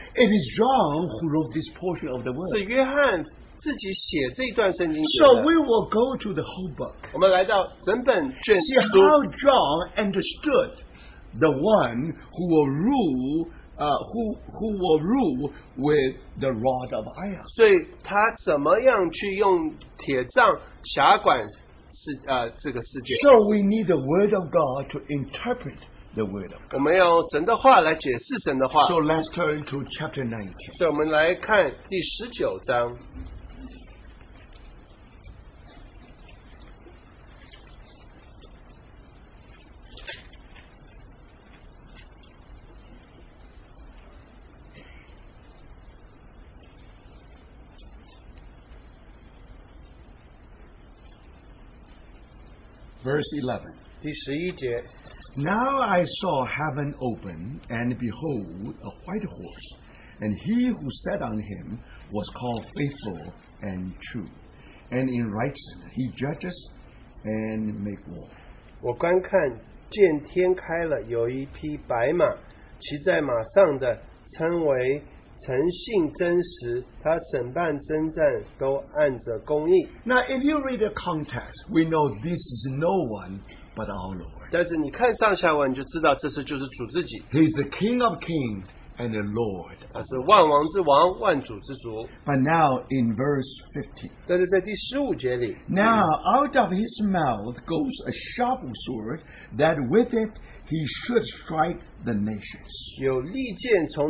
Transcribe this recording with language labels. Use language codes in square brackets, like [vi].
[en] It is John who wrote this portion of the word. [zh] 是约翰。 [en] So we will go to the whole book. [zh] 我们来到整本卷书, [en] see how John understood the one who will rule, who will rule with the rod of iron. [zh] 所以他怎么样去用铁杖辖管世界？ [en] So we need the word of God to interpret the word of God. [zh] 我们要用神的话来解释神的话。 [en] So let's turn to chapter 19. [zh] 所以我们来看第十九章。 [en] Verse 11. [zh] 第十一节, [en] now I saw heaven open, and behold, a white horse, and he who sat on him was called faithful and true, and in righteousness he judges and makes war. [zh] 我观看见天开了，有一匹白马，骑在马上的，称为诚信真实。他审判征战都按着公义。 [en] Now if you read the context, we know this is no one but our Lord. [zh] 但是你看上下文，你就知道这是就是主自己。 [en] He is the King of Kings and the Lord. [zh] 他是万王之王，万主之主。 [en] But now in verse 15. [zh] 但是在第十五节里。 [en] Now out of his mouth goes a sharp sword that with it he should strike the nations.